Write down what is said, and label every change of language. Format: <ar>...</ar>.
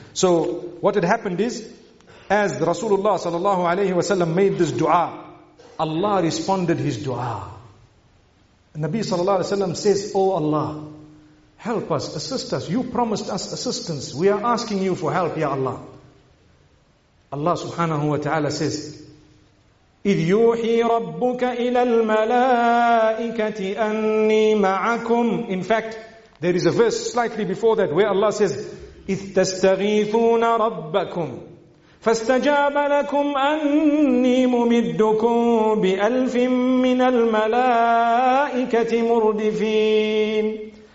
<en>So what had happened is, as Rasulullah sallallahu alayhi wa sallam made this dua, Allah responded his dua. Nabi sallallahu alayhi wa sallam says, oh Allah, help us, assist us. You promised us assistance. We are asking you for help, ya Allah.</en> <ar>Allah subhanahu wa ta'ala says, إِذْ يُوحِي رَبُّكَ إِلَى الْمَلَائِكَةِ أَنِّي مَعَكُمْ.</ar> <en>In fact, there is a verse slightly before that where Allah says,</en> <ar>إِذْ تَسْتَغِيثُونَ رَبَّكُمْ فَاسْتَجَابَ لَكُمْ أَنِّي مُمِدُّكُمْ بِأَلْفٍ مِّنَ الْمَلَائِكَةِ مُرْدِفِينَ.</ar>